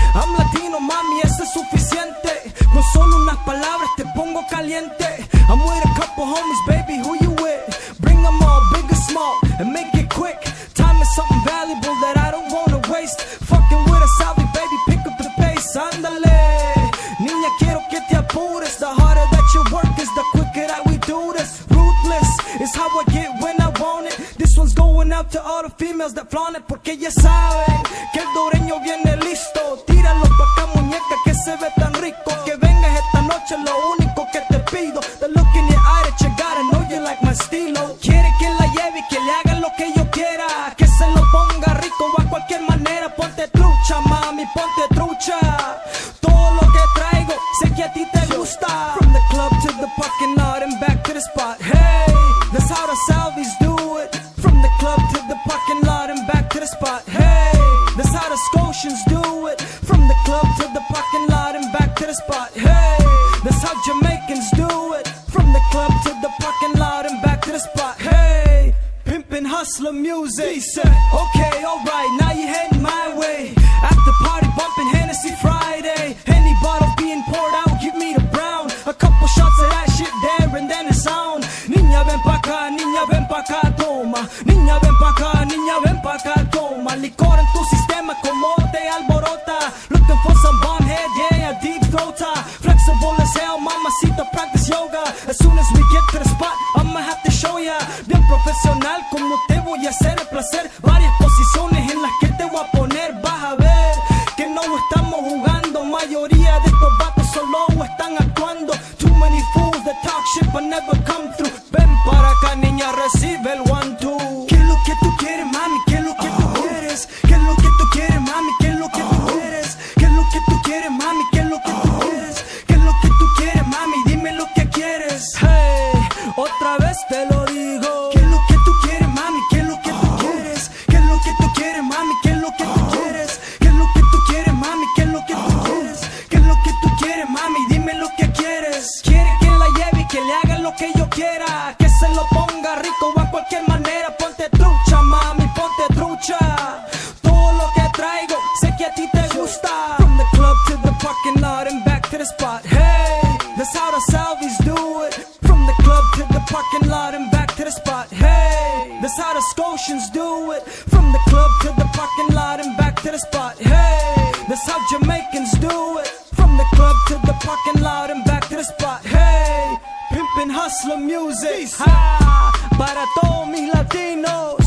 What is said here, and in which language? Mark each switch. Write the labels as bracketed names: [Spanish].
[English] I'm Latino, [Spanish] mami, eso es suficiente. Con solo unas palabras te pongo caliente. [English] I'm with a couple homies, baby, who you with? Bring them all, big or small, and make it quick. Time is something valuable that I don't wanna waste. Fucking with a Salvi, baby, pick up the pace. [Spanish] Andale, niña, quiero que te apures. [English] The harder that you work is, the quicker that we do this. Ruthless is how I get when I want it. This one's going out to all the females that flaunt it. [Spanish] Porque ya saben que el dureño viene listo. Tíralo pa' acá, muñeca, que se ve tan rico. Que vengas esta noche, lo único que te pido. [English] The look in your eye that you got, I know you like my estilo. [Spanish] Quiere que la lleve y que le haga lo que yo quiera. Que se lo ponga rico a cualquier manera. Ponte trucha, mami, ponte trucha. Todo lo que traigo, sé que a ti te gusta. [English] From the club to the parking lot and back to the spot. Hey, that's how the Salvies do it. From the club to the parking lot and back to the spot. Hey, that's how the Scotians do it. From the club to the parking lot and back to the spot. Hey, that's how Jamaicans do it. From the club to the parking lot and back to the spot. Hey, pimpin' hustler music. Okay, alright, now you're heading my way. At the party bumpin' Hennessy Friday. Any bottle being poured out, give me the brown. A couple shots of that shit there and then it's on. [Spanish] Niña, ven pa' acá, niña, ven pa' acá, toma. Niña, ven pa' acá, niña, ven pa' acá, toma. Licor en tu sistema, como te alborota. [English] Looking for some bomb head, yeah, a deep throater. Flexible as hell, mamacita, practice yoga. As soon as we get to the spot, I'ma have to show ya. [Spanish] Bien profesional, como te voy a hacer el placer. Varias posiciones en las que te voy a poner. Vas a ver que no estamos jugando. Mayoría de estos vatos solo están actuando. [English] Too many fools that talk shit but never come through. [Spanish] Ven para acá, niña, recibe el 1-2. ¿Qué es lo que tú quieres, mami? ¿Qué es lo que tú quieres? ¿Qué es lo que tú quieres, mami? ¿Qué es lo que tú quieres? ¿Qué es lo que tú quieres, mami? ¿Qué es lo que tú quieres? ¿Qué es lo que tú quieres, mami? Dime lo que quieres. Hey, otra vez te lo digo. ¿Qué es lo que tú quieres, mami? ¿Qué es lo que tú quieres? ¿Qué es lo que tú quieres, mami? ¿Qué es lo que tú quieres? ¿Qué es lo que tú quieres, mami? ¿Qué es lo que tú quieres? ¿Qué es lo que tú quieres, mami? Dime lo que quieres. Quiere que la lleve y que le haga lo que yo quiera. Que se lo ponga rico o a cualquier manera. Ponte trucha, mami, ponte trucha. Todo lo que traigo, sé que a ti te gusta. [English] From the club to the parking lot and back to the spot. Hey, that's how the Salvies do it. From the club to the parking lot and back to the spot. Hey, that's how the Scotians do it. From the club to the parking lot and back to the spot. Hey, that's how Jamaicans do it. From the club to the parking lot and back to the spot. Hey, pimpin' hustler music. [Spanish] Ha, para todos mis latinos.